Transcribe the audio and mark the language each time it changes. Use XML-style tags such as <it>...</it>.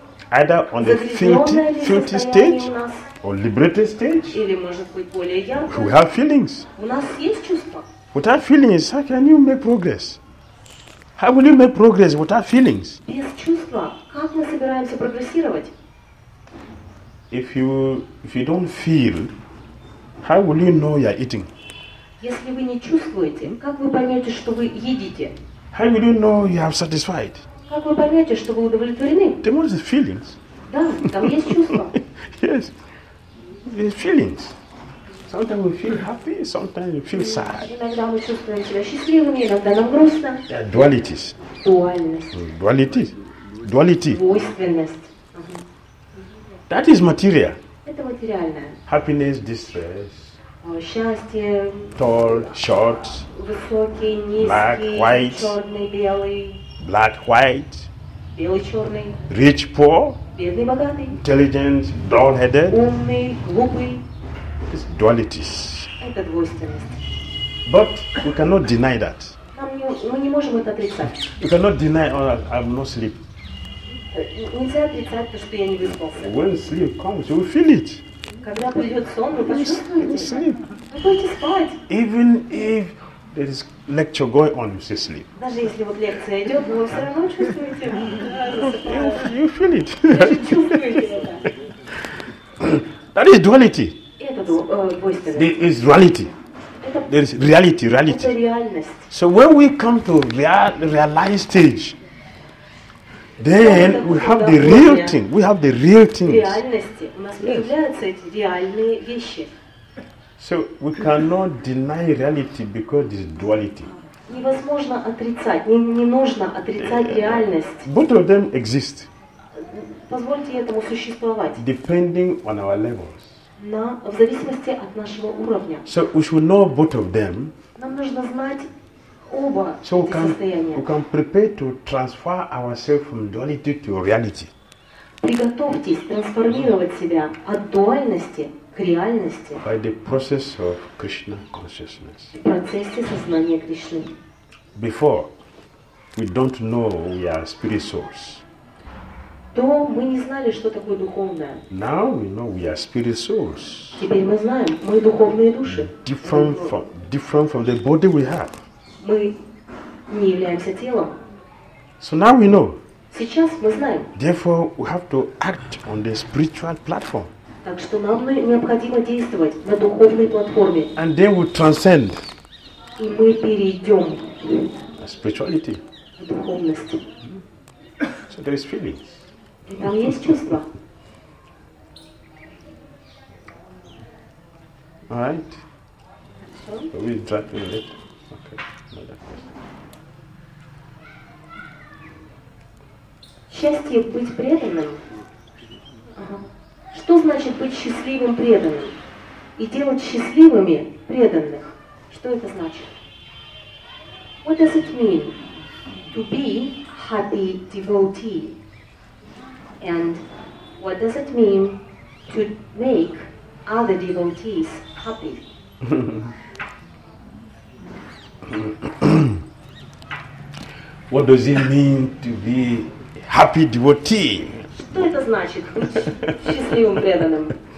<en>Either on the filthy stage or liberated stage, we have feelings. Without feelings, how can you make progress? How will you make progress without feelings? If you don't feel, how will you know you are eating?</en> <ru>Если вы не чувствуете, как вы поймете, что вы едите?</ru> <en>How will you know you have satisfied?</en> <ru>Как вы поймете, что вы удовлетворены?</ru> <en>There must be feelings.</en> <ru>Да, там есть чувства.</ru> <en>Yes, there's feelings. Sometimes we feel happy, sometimes we feel sad.</en> <ru>Иногда мы чувствуем себя счастливыми, иногда нам грустно.</ru> <en>There are dualities.</en> <ru>Дуальность.</ru> <en>Duality.</en> <ru>Двойственность.</ru> <en>That is material.</en> <ru>Это материальное.</ru> <en>Happiness, distress.</en> <ru>Счастье,</ru> <en>tall, short,</en> <ru>высокий, низкий,</ru> <en>black, white,</en> <ru>черный, белый,</ru> <en>black, white,</en> <ru>белый, черный,</ru> <en>rich, poor,</en> <ru>бедный, богатый,</ru> <en>intelligent, brown-headed,</en> <ru>умный, глупый.</ru> <en>It's dualities.</en> <ru>Это двойственность.</ru> <en>But we cannot deny that.</en> <ru>Мы не можем это отрицать.</ru> <en>We cannot deny, oh, I'm not sleep.</en> <ru>Нельзя отрицать, что я не выспался.</ru> <en>When sleep comes, you feel it.</en> <ru>Когда придет сон, вы почувствуете. Вы будете спать.</ru> <en>Even if there is lecture going on, you still sleep.</en> <ru>Даже если вот лекция идет, вы все равно чувствуете.</ru> <en>You feel it. That is duality.</en> <ru>Это двойственность.</ru> <en>There is reality. There is reality, reality.</en> <ru>Это реальность.</ru> <en>So when we come to realized stage, then we have the real thing. We have the real thing. Yes. So we cannot deny reality because it's duality.</en> <ru>Невозможно отрицать, не нужно отрицать реальность.</ru> <en>Both of them exist.</en> <ru>Позвольте этому существовать.</ru> <en>Depending on our levels.</en> <ru>В зависимости от нашего уровня.</ru> <en>So we should know both of them.</en> <ru>Нам нужно знать.</ru> <en>So we can prepare to transfer ourselves from duality to reality.</en> <ru>Приготовьтесь трансформировать себя от дуальности к реальности.</ru> <en>By the process of Krishna consciousness.</en> <ru>В процессе сознания Кришны.</ru> <en>Before, we don't know we are spirit souls.</en> <ru>То мы не знали, что такое духовное.</ru> <en>Now we know we are spirit souls.</en> <ru>Теперь мы знаем, мы духовные души.</ru> <en>Different from the body we have.</en> <ru>Мы не являемся телом.</ru> <en>So now we know.</en> <ru>Сейчас мы знаем.</ru> <en>Therefore, we have to act on the spiritual platform.</en> <ru>Так что нам необходимо действовать на духовной платформе.</ru> <en>And then we transcend.</en> <ru>И мы перейдем.</ru> <en>A spirituality.</en> <ru>В духовность.</ru> <en>So there is feelings.</en> <ru>И там есть чувства.</ru> <en>All right. So we'll drop in a bit. Okay.</en> <ru>Счастье быть преданным. Что значит быть счастливым преданным? И делать счастливыми преданных. Что это значит?</ru> <en>What does it mean to be happy devotee? And what does it mean to make other devotees happy? What does it mean to be happy devotee?</en> <ru>Что это значит быть счастливым преданным?</ru>